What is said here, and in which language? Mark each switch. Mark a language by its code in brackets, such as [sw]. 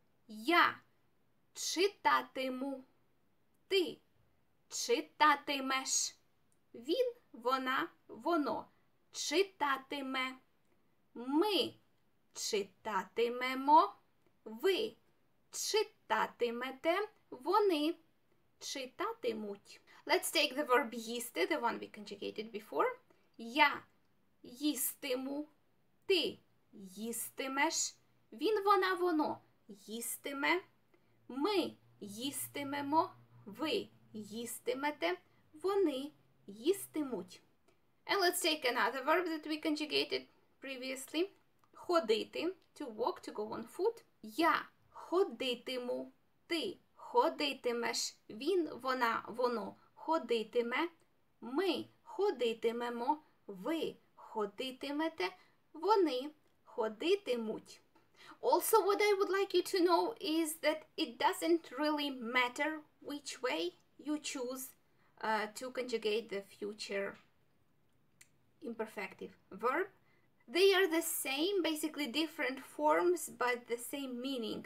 [uk] Я читатиму, ти читатимеш, він, вона, воно читатиме, ми читатимемо, ви читатимете, вони читатимуть. [en] Let's take the verb їсти, the one we conjugated before. [uk] Я їстиму, ти їстимеш, він, вона, воно їстиме, ми їстимемо, ви їстимете, вони їстимуть. [en] And let's take another verb that we conjugated previously. Ходити, to walk, to go on foot. [uk] Я ходитиму, ти ходитимеш, він, вона, воно ходитиме, ми ходитимемо, ви ходитимете, вони ходитимуть. [en] Also, what I would like you to know is that it doesn't really matter which way you choose to conjugate the future imperfective verb. They are the same, basically different forms, but the same meaning.